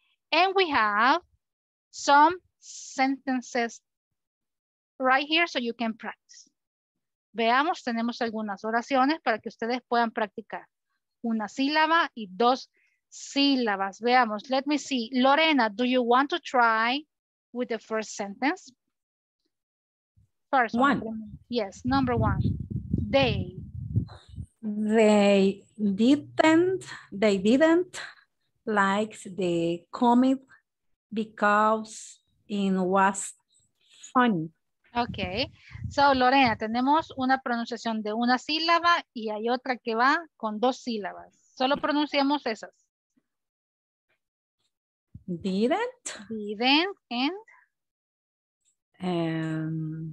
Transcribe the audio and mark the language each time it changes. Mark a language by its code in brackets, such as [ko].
[en] And we have some sentences right here so you can practice. [es] Veamos, tenemos algunas oraciones para que ustedes puedan practicar. Una sílaba y dos sílabas. Veamos, [en] let me see. Lorena, do you want to try with the first sentence? First one. Yes, number one. They didn't like the comet because it was funny. Okay, so Lorena, [es] tenemos una pronunciación de una sílaba y hay otra que va con dos sílabas. Solo pronunciamos esas. [en] Didn't. Didn't and.